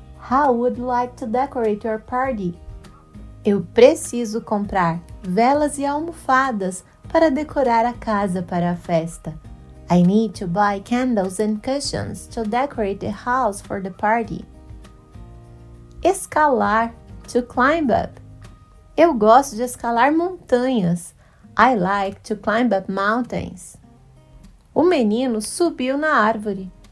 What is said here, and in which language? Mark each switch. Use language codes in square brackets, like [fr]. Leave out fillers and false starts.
[en] How would you like to decorate your party? [pt] Eu preciso comprar velas e almofadas para decorar a casa para a festa. [en] I need to buy candles and cushions to decorate the house for the party. [pt] Escalar, [en] to climb up. [pt] Eu gosto de escalar montanhas. [en] I like to climb up mountains. [pt] O menino subiu na árvore.